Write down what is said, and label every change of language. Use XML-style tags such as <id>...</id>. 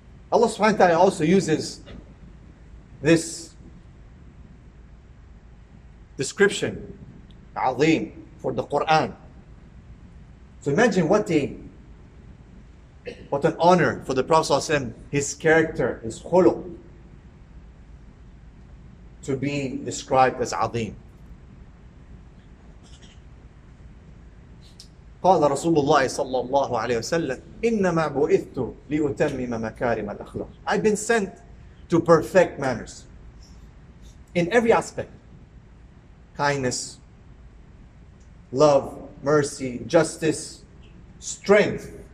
<en>Allah subhanahu wa ta'ala also uses this description, عظيم, for the Quran. So imagine what an honor for the Prophet ﷺ, his character, his khuluq, to be described as عظيم.</en> <ar>قال رسول الله صلى الله عليه وسلم إنما بعثت لأتمم مكارم الأخلاق.</ar> <en>I've been sent to perfect manners in every aspect. Kindness, love, mercy, justice, strength.</en>